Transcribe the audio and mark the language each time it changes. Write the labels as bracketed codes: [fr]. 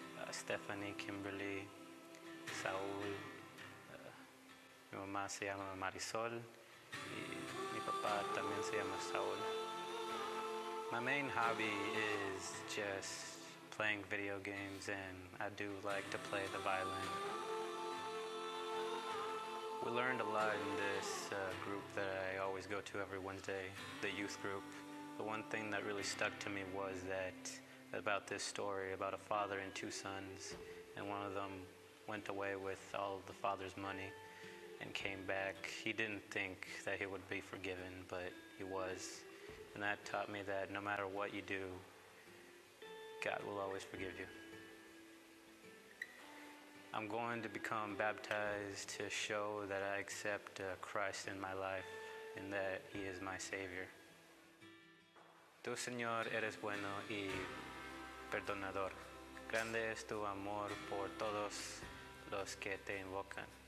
[es] Stephanie, Kimberly, Saul, mi mamá se llama Marisol, y mi papá también se llama Saul. [en] My main hobby is just playing video games, and I do like to play the violin. We learned a lot in this group that I always go to every Wednesday, the youth group. The one thing that really stuck to me was that about this story about a father and two sons, and one of them went away with all of the father's money and came back. He didn't think that he would be forgiven, but he was. And that taught me that no matter what you do, God will always forgive you. I'm going to become baptized to show that I accept Christ in my life and that He is my Savior. [es] Tú, Señor, eres bueno y perdonador. Grande es tu amor por todos los que te invocan.